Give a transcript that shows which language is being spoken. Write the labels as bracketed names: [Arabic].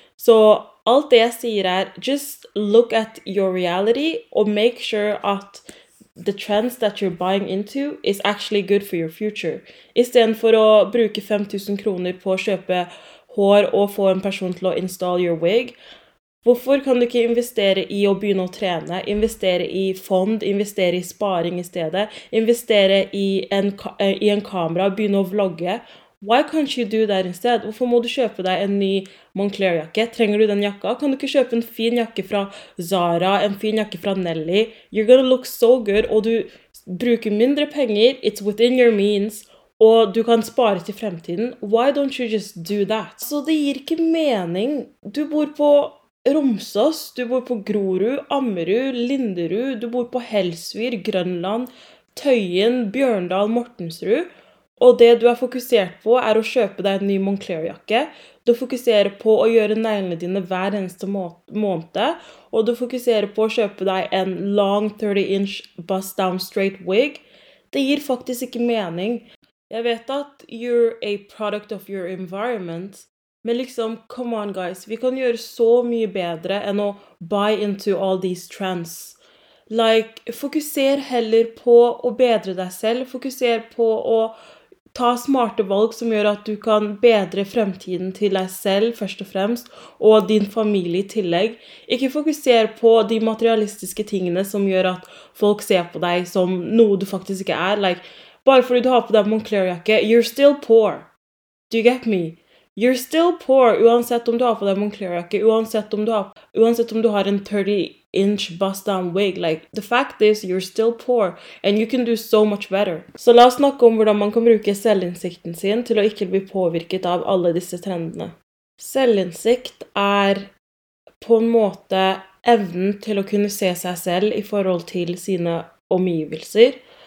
[Norwegian] Så alt det jeg sier [English] just look at your reality og make sure at the trends that you're buying into is actually good for your future. [Norwegian] I stedet for å bruke 5000 kroner på å kjøpe hår og få en person til å [English] install your wig, [Norwegian] hvorfor kan du ikke investere i å begynne å trene, investere i fond, investere i sparing i stedet, investere i en kamera, begynne å vlogge? [English] Why can't you do that instead? [Norwegian] Hvorfor må du kjøpe deg en ny Moncler-jakke? Trenger du den jakka? Kan du ikke kjøpe en fin jakke fra Zara, en fin jakke fra Nelly? [English] You're gonna look so good, [Norwegian] og du bruker mindre penger, [English] it's within your means, [Norwegian] og du kan spare til fremtiden. [English] Why don't you just do that? [Norwegian] Så det gir ikke mening. Du bor på Romsås, du bor på Grorud, Ammerud, Linderud, du bor på Helsvir, Grønland, Tøyen, Bjørndal, Mortensrud. Og det du fokusert på å kjøpe deg en ny Moncler-jakke. Du fokuserer på å gjøre neglene dine hver eneste måned. Og du fokuserer på å kjøpe deg en [English] long 30-inch bust-down straight wig. [Norwegian] Det gir faktisk ikke mening. Jeg vet at [English] you're a product of your environment. [Norwegian] Men liksom, [English] come on guys, [Norwegian] vi kan gjøre så mye bedre enn å [English] buy into all these trends. [Norwegian] Like, fokuser heller på å bedre deg selv. Fokuser på å ta smarte valg som gjør at du kan bedre fremtiden til deg selv, først og fremst, og din familie i tillegg. Ikke fokusere på de materialistiske tingene som gjør at folk ser på deg som noe du faktisk ikke Like, bare fordi du har på deg Moncler-jakke, [English] you're still poor. Do you get me? You're still poor, [Norwegian] uansett om du har på deg Moncler-jakke, uansett om du har en 30-inch bust-down wig. [English] Like, the fact is, you're still poor, and you can do so much better. [Norwegian] Så la oss snakke om hvordan man kan bruke selvinsikten sin til å ikke bli påvirket av alle disse trendene. Selvinsikt på en måte evnen til å kunne se seg selv i forhold til sine omgivelser.